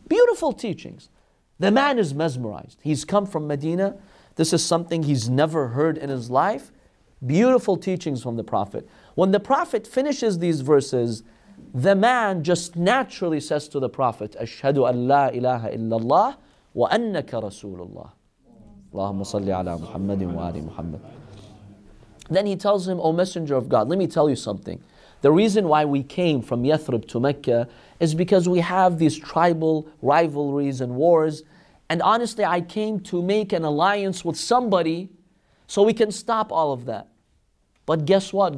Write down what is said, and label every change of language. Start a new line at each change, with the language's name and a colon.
English: Beautiful teachings. The man is mesmerized. He's come from Medina. This is something he's never heard in his life. Beautiful teachings from the Prophet. When the Prophet finishes these verses, the man just naturally says to the Prophet,
Arabic: أَشْهَدُ أَنْ لَا إِلَهَ إِلَّا اللَّهِ وَأَنَّكَ رَسُولُ اللَّهِ. اللهم صل على محمد وآل محمد.
English: Then he tells him, O Messenger of God, let me tell you something. The reason why we came from Yathrib to Mecca is because we have these tribal rivalries and wars. And honestly, I came to make an alliance with somebody so we can stop all of that. But guess what?